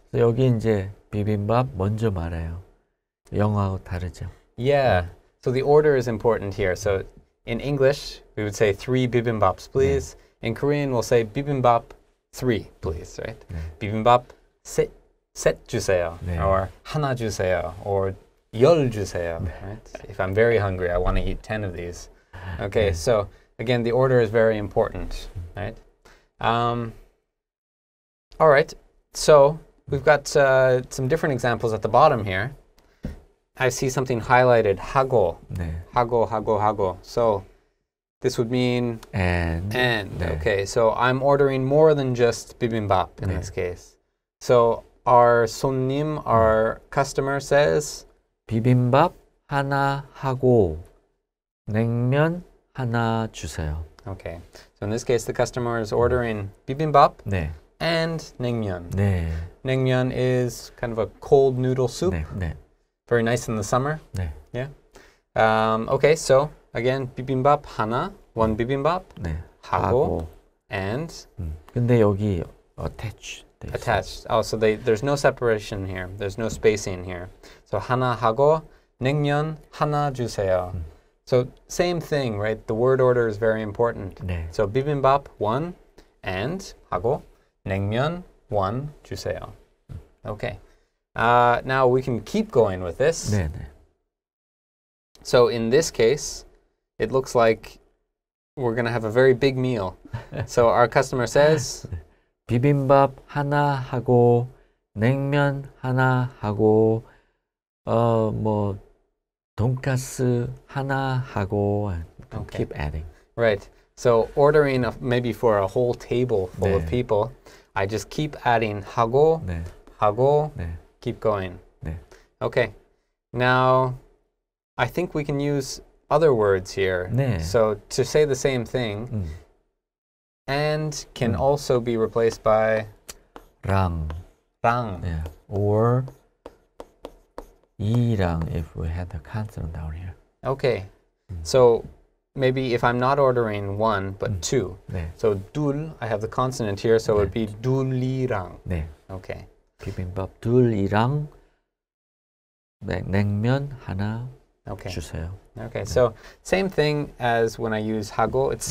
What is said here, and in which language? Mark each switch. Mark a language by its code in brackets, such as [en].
[ko] So 여기 이제 비빔밥 먼저 말해요. 영어하고 다르죠. [en] Yeah. 네. So the order is important here. So in English, we would say three bibimbaps, please. 네. In Korean, we'll say bibimbap three, please, right? [ko] 네. Bibimbap set 주세요, 네. or 하나 주세요, or 열 주세요, 네. [en] right? If I'm very hungry, I want to eat 10 of these. Okay, 네. so again, the order is very important, right? All right, so we've got some different examples at the bottom here. I see something highlighted, [ko] 하고, 네. 하고, 하고, 하고. [en] So this would mean and. [ko] 네. [en] Okay, so I'm ordering more than just bibimbap in 네. this case. So our [ko] 손님, [en] our customer says, [ko] 비빔밥 하나 하고 냉면 하나 주세요. [en] Okay, so in this case, the customer is ordering 비빔밥 [ko] 네. [en] and 냉면. [ko] 네. [en] 냉면 is kind of a cold noodle soup. [ko] 네. 네. [en] Very nice in the summer. [ko] 네. [en] Yeah. Okay, so again, [ko] 비빔밥 하나, [en] one 비빔밥, [ko] 네. 하고, [en] and? [ko] 근데 여기 [en] attached. Attached. Oh, so there's no separation here. There's no spacing here. [ko] So 하나 하고, 냉면 하나 주세요. [en] So same thing, right? The word order is very important. [ko] 네. [en] So 비빔밥 one, and 하고, 냉면 one [ko] 주세요. [en] Okay. Now we can keep going with this. [ko] 네, 네. [en] So in this case, it looks like we're going to have a very big meal. So our customer says, [ko] 비빔밥 하나 하고 냉면 하나 하고 뭐 돈까스 하나 하고 [en] okay. keep adding. Right. So ordering maybe for a whole table full 네. of people, I just keep adding [ko] 하고 네. 하고 네. [en] Keep going. [ko] 네. [en] Okay. Now, I think we can use other words here. [ko] 네. [en] So, to say the same thing, and can also be replaced by [ko] 랑. 랑. [en] Yeah. Or [ko] 이랑, [en] if we had the consonant down here. Okay. So maybe if I'm not ordering one, but two. [ko] 네. [en] So dul, I have the consonant here, so 네. It would be dul이랑. [ko] 네. [en] Okay. [ko] 비빔밥 둘이랑 냉면 하나 [en] okay. [ko] 주세요. [en] Okay, 네. So same thing as when I use [ko] 하고, [en] it's 네.